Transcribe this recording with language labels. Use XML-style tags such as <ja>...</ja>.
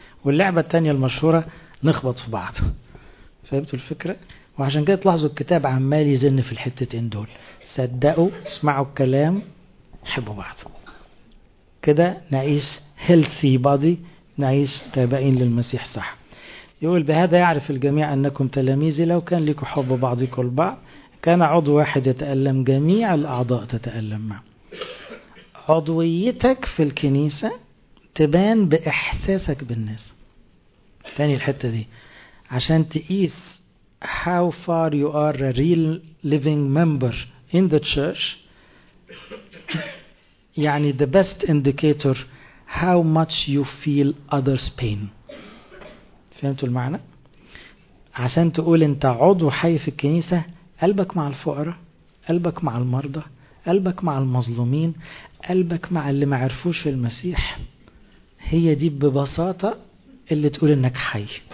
<ar>واللعبة التانية المشهورة، نخبط في بعض. فهمتوا الفكرة؟ وعشان كده تلاحظوا الكتاب عمال يزن في الحتتين دول، صدقوا، اسمعوا الكلام، حبوا بعض، كده نعيش</ar> <en>healthy body،</en> <ar>نعيش تابعين للمسيح صح. يقول بهذا يعرف الجميع أنكم تلاميذي لو كان لكم حب بعضكم البعض، كان عضو واحد يتألم جميع الأعضاء تتألم معه. عضويتك في الكنيسة تبان بإحساسك بالناس. تاني الحتة دي، عشان تقيس</ar> <en>how far you are a real living member in the church،</en> <ar>يعني</ar> <en>the best indicator how much you feel others pain.</en> <ar>فهمتوا المعنى؟ عشان تقول انت عضو حي في الكنيسة، قلبك مع الفقراء، قلبك مع المرضى، قلبك مع المظلومين، قلبك مع اللي معرفوش في المسيح، هي دي ببساطة اللي تقول انك حي.</ar>